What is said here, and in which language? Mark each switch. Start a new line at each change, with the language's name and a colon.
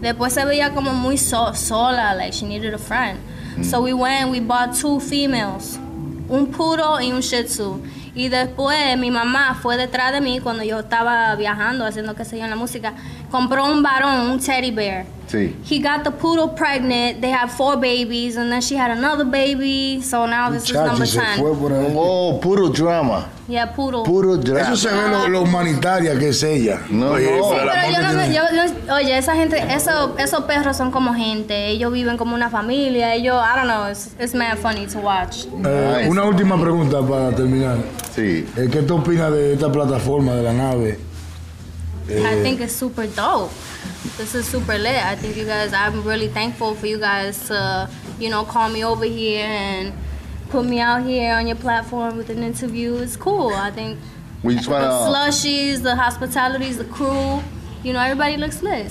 Spanish: Después se veía como muy sola,
English: like she needed a friend. So we bought 2 females,
Spanish: un poodle y un shih tzu. Y después mi mamá fue detrás de mí cuando yo estaba viajando, haciendo qué sé yo en la música. Compró un varón, un teddy bear. Sí.
English: He got the poodle pregnant. They had 4 babies and then she had another baby. So now this is number 10.
Spanish: Fue por ahí. Oh, puro drama. Yeah, puro. Puro drama. Eso se ve lo humanitaria que es ella. No, oye, no. Oye, esa gente, esos perros son como gente. Ellos viven como una familia.
English: Ellos, I don't know, it's mad funny to watch.
Spanish: Una última pregunta para terminar. Sí. ¿Qué tú opinas de esta plataforma, de la nave?
English: I think it's super dope. This is super lit. I think you guys, I'm really thankful for you guys to, you know, call me over here and put me out here on your platform with an interview. It's cool. I think the slushies, the hospitalities, the crew, you know, everybody looks lit.